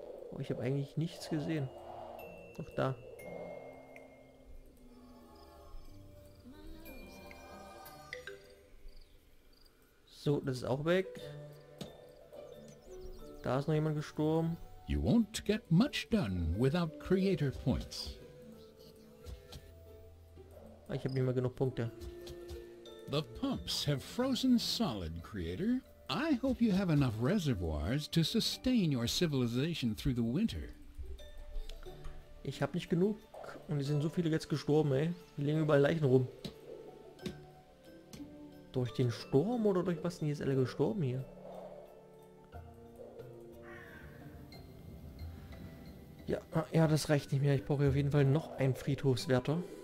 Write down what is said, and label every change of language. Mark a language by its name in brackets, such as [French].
[German] Oh, ich habe eigentlich nichts gesehen. Doch da. So, das ist auch weg. Da ist noch jemand gestorben. [English] You won't get much done without creator points. [German] Ich habe nicht mehr genug Punkte. [English] The pumps have frozen solid, creator. I hope you have enough reservoirs to sustain your civilization through the winter. [German] Ich habe nicht genug und es sind so viele jetzt gestorben, ey. Die liegen überall Leichen rum. Durch den Sturm oder durch was sind jetzt alle gestorben hier? Ja, ja, das reicht nicht mehr. Ich brauche auf jeden Fall noch einen Friedhofswärter.